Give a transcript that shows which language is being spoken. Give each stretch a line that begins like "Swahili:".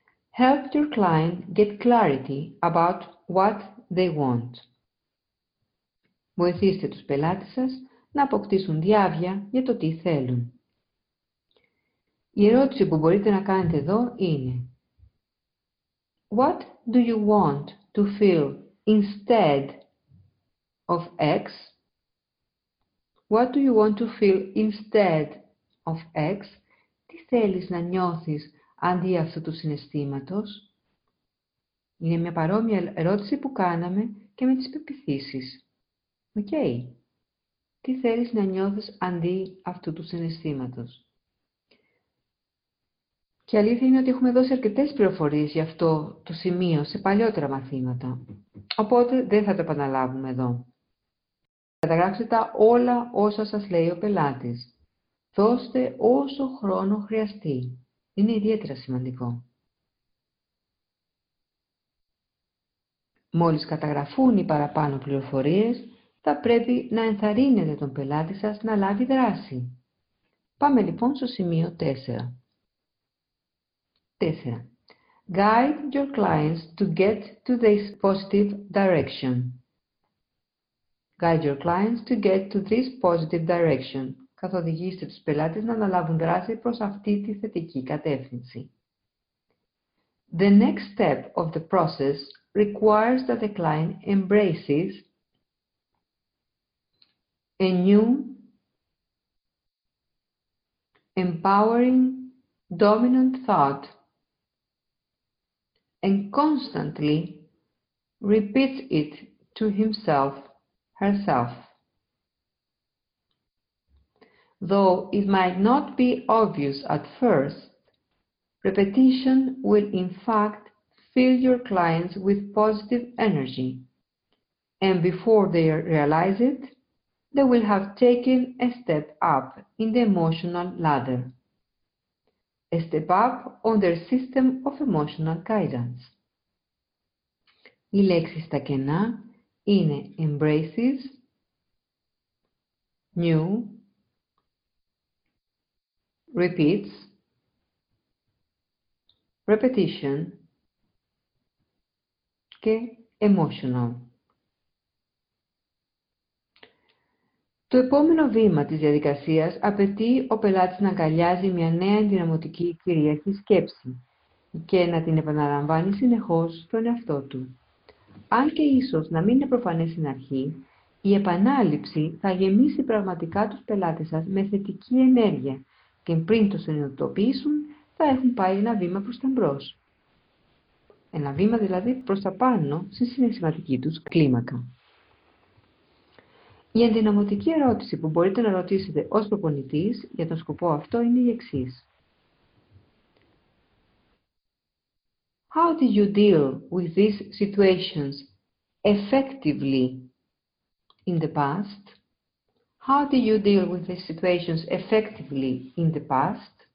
English: Help your client get clarity about what they want.
Greek: Βοηθήστε τους πελάτες σας να αποκτήσουν διάβια για το τι θέλουν. Η ερώτηση που μπορείτε να κάνετε εδώ είναι
English: What do you want to feel instead of X? What do you want to feel instead of X?
Greek: Τι θέλεις να νιώθεις αντί αυτού του συναισθήματος? Είναι μια παρόμοια ερώτηση που κάναμε και με τις πεπιθήσεις. Okay. Τι θέλεις να νιώθεις αντί αυτού του συναισθήματος? Και αλήθεια είναι ότι έχουμε δώσει αρκετές πληροφορίες για αυτό το σημείο σε παλιότερα μαθήματα. Οπότε δεν θα το επαναλάβουμε εδώ. Καταγράψτε τα όλα όσα σας λέει ο πελάτης. Δώστε όσο χρόνο χρειαστεί. Είναι ιδιαίτερα σημαντικό. Μόλις καταγραφούν οι παραπάνω πληροφορίες, θα πρέπει να ενθαρρύνετε τον πελάτη σας να λάβει δράση. Πάμε λοιπόν στο σημείο 4. 4.
English: Guide your clients to get to this positive direction. Guide your clients to get to this positive direction.
Greek: Καθοδηγήστε τους πελάτες να αναλάβουν δράση προς αυτή τη θετική κατεύθυνση.
English: The next step of the process requires that the client embraces a new empowering dominant thought and constantly repeats it to himself, herself. Though it might not be obvious at first, repetition will in fact fill your clients with positive energy, and before they realize it, they will have taken a step up in the emotional ladder. A step up on their system of emotional guidance.
Greek: Οι λέξεις στα κενά είναι embraces, new, repeats, repetition και emotional. Το επόμενο βήμα της διαδικασίας απαιτεί ο πελάτης να αγκαλιάζει μια νέα ενδυναμωτική κυρίαρχη σκέψη και να την επαναλαμβάνει συνεχώς στον εαυτό του. Αν και ίσως να μην είναι προφανές στην αρχή, η επανάληψη θα γεμίσει πραγματικά τους πελάτες σας με θετική ενέργεια και πριν το συνειδητοποιήσουν θα έχουν πάει ένα βήμα προς τα μπρος. Ένα βήμα δηλαδή προς τα πάνω στη συναισθηματική τους κλίμακα. Η ενδυναμωτική ερώτηση που μπορείτε να ρωτήσετε ως προπονητής για τον σκοπό αυτό είναι η εξής.
English: How do you deal with these situations effectively in the past? How do you deal with these situations effectively in the past?